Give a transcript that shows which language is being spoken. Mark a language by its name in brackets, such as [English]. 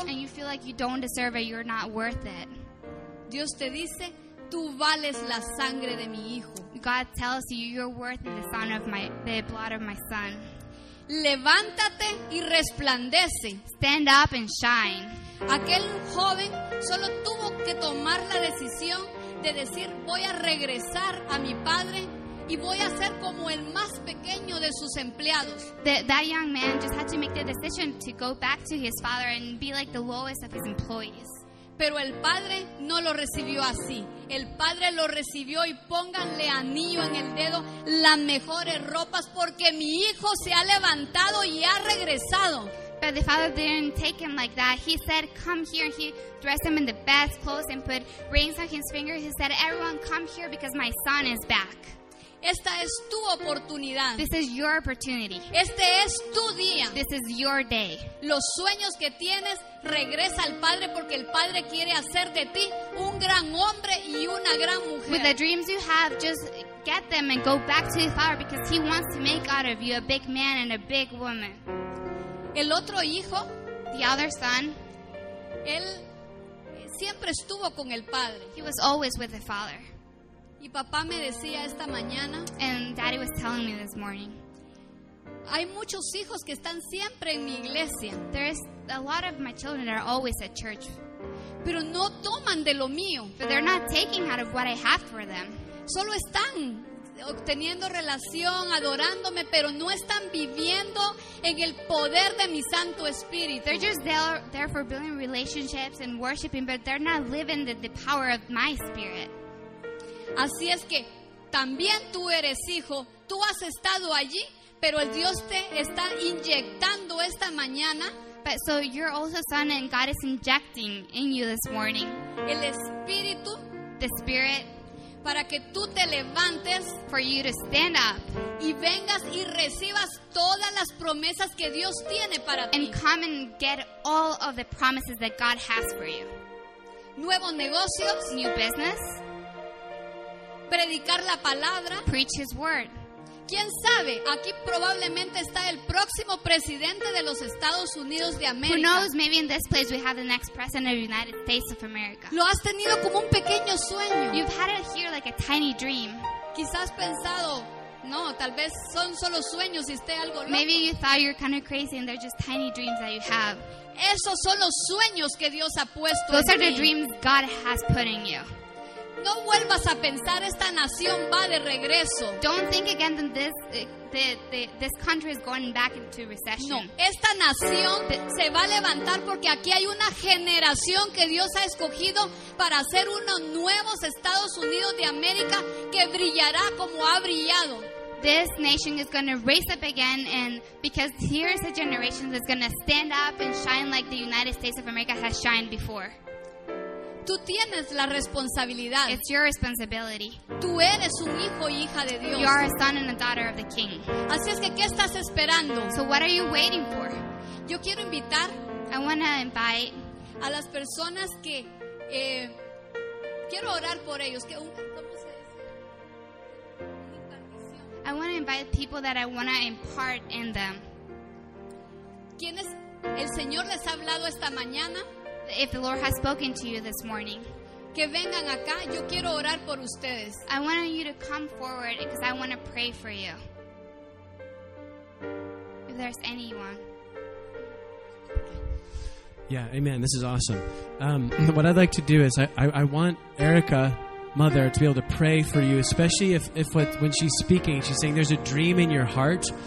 [English] and you feel like you don't deserve it, you're not worth it, [Spanish] Dios te dice, tú vales la sangre de mi hijo. [English] God tells you, you're worth the blood of my son. [Spanish] Levántate y resplandece. [English] Stand up and shine. [Spanish] Aquel joven solo tuvo que tomar la decisión de decir, voy a regresar a mi padre y voy a ser como el más pequeño de sus empleados. [English] That young man just had to make the decision to go back to his father and be like the lowest of his employees. [Spanish] Pero el padre no lo recibió así. El padre lo recibió y pónganle anillo en el dedo, las mejores ropas, porque mi hijo se ha levantado y ha regresado. [English] But the father didn't take him like that. He said, come here. He dressed him in the best clothes and put rings on his finger. He said, everyone come here because my son is back. [Spanish] Esta es tu oportunidad. [English] This is your opportunity. [Spanish] Este es tu día. [English] This is your day. [Spanish] Los sueños que tienes, regresa al Padre porque el Padre quiere hacer de ti un gran hombre y una gran mujer. [English] With the dreams you have, just get them and go back to the Father because he wants to make out of you a big man and a big woman. [Spanish] El otro hijo, [English] the other son, [Spanish] él siempre estuvo con el Padre. [English] He was always with the Father. [Spanish] Y papá me decía esta mañana, [English] and daddy was telling me this morning, [Spanish] hay muchos hijos que están siempre en mi iglesia. [English] There's a lot of my children that are always at church. [Spanish] Pero no toman de lo mío. [English] But they're not taking out of what I have for them. [Spanish] Solo están obteniendo relación, adorándome, pero no están viviendo en el poder de mi Santo Espíritu. [English] They're just there for building relationships and worshiping, but they're not living the power of my Spirit. [Spanish] Así es que también tú eres hijo, tú has estado allí, pero el Dios te está inyectando esta mañana. [English] But so you're also son, and God is injecting in you this morning. [Spanish] El Espíritu, [English] the Spirit, [Spanish] para que tú te levantes, [English] for you to stand up, [Spanish] y vengas y recibas todas las promesas que Dios tiene para ti. [English] And come and get all of the promises that God has for you. [Spanish] Nuevos negocios, [English] new business. [Spanish] Predicar la palabra. [English] Preach his word. [Spanish] ¿Quién sabe? Aquí probablemente está el próximo presidente de los Estados Unidos de América. [English] Who knows? Maybe in this place we have the next president of the United States of America. [Spanish] Lo has tenido como un pequeño sueño. [English] You've had it here like a tiny dream. [Spanish] Quizás pensado, no, tal vez son solo sueños y esté algo loco. [English] Maybe you thought you're kind of crazy and they're just tiny dreams that you have. [Spanish] Esos son los sueños que Dios ha puesto en ti. [English] Those are the dreams God has put in you. [Spanish] No vuelvas a pensar esta nación va de regreso. [English] Don't think again that this country is going back into recession. [Spanish] No, esta nación se va a levantar porque aquí hay una generación que Dios ha escogido para hacer unos nuevos Estados Unidos de América que brillará como ha brillado. [English] This nation is going to raise up again, and because here's a generation that's going to stand up and shine like the United States of America has shined before. [Spanish] Tú tienes la responsabilidad. [English] It's your responsibility. [Spanish] Tú eres un hijo e hija de Dios. [English] You are a son and a daughter of the King. [Spanish] Así es que, ¿qué estás esperando? [English] So what are you waiting for? [Spanish] Yo quiero invitar, [English] I want to invite [Spanish] a las personas que quiero orar por ellos, que un, ¿cómo se dice? [English] I want to invite people that I want to impart in them. [Spanish] ¿Quiénes el Señor les ha hablado esta mañana? [English] If the Lord has spoken to you this morning, [Spanish] que vengan acá, yo quiero orar por ustedes. [English] I want you to come forward because I want to pray for you. If there's anyone. Yeah, amen. This is awesome. What I'd like to do is I want Erica, mother, to be able to pray for you, especially if what, when she's speaking, she's saying there's a dream in your heart.